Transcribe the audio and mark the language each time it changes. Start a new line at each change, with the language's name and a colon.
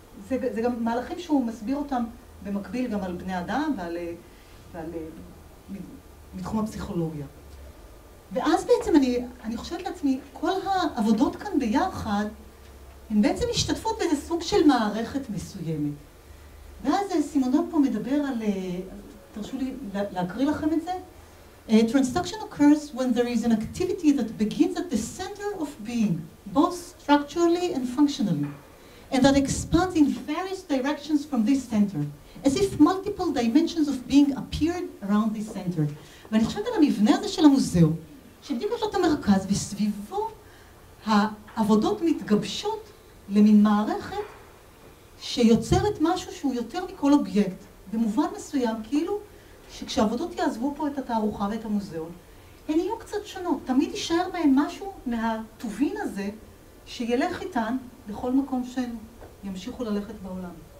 Hebrew: זה גם מהלכים שהוא מסביר אותם במקביל גם על בני אדם ועל מתחום הפסיכולוגיה. ואז בעצם אני חושבת לעצמי, כל העבודות כאן ביחד, הן בעצם משתתפות באיזה סוג של מערכת מסוימת. ואז סימונון פה מדבר על, תרשו לי להקריא לכם את זה,
English: Transduction occurs when there is an activity that begins at the center of being, both structurally and functionally. And that expands in various directions from this center, as if multiple dimensions of being appeared around this center.
Hebrew: ואני חושבת על המבנה הזה של המוזיאום, שבדיוק יש לו את המרכז, וסביבו העבודות מתגבשות למין מערכת שיוצרת משהו שהוא יותר מכל אובייקט. במובן מסוים, כאילו שכשעבודות יעזבו פה את התערוכה ואת המוזיאום, הן יהיו קצת שונות, תמיד יישאר בהן משהו מהטובין הזה שילך איתן, לכל מקום שהם ימשיכו ללכת בעולם.